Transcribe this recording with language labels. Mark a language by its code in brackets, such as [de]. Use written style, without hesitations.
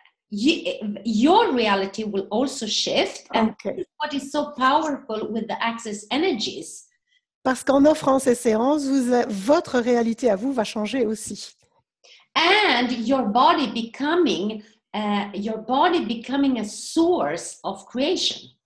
[en] Your reality will also shift, and what is so powerful with the Access energies? [fr] Parce qu'en offrant ces séances, votre réalité à vous va changer aussi. [en] And your body becoming a source of creation.